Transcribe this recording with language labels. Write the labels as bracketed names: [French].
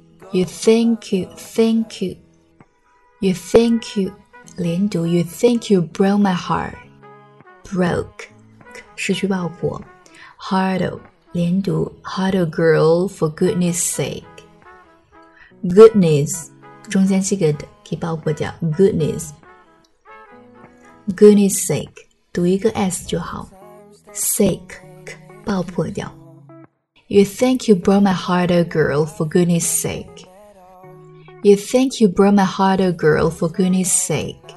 [English] You think you, think you, you think you, 连读 you think you broke my heart. Broke, 失去爆破 Heart, oh, 连读 heart, oh girl, for goodness sake. [Chinese] Goodness, 中间这个的可以爆破掉 goodness. [English] Goodness sake, [Chinese] 读一个 S 就好 sake. [English] 爆破掉 You think you broke my heart, oh girl, for goodness sake You think you broke my heart, oh girl, for goodness sake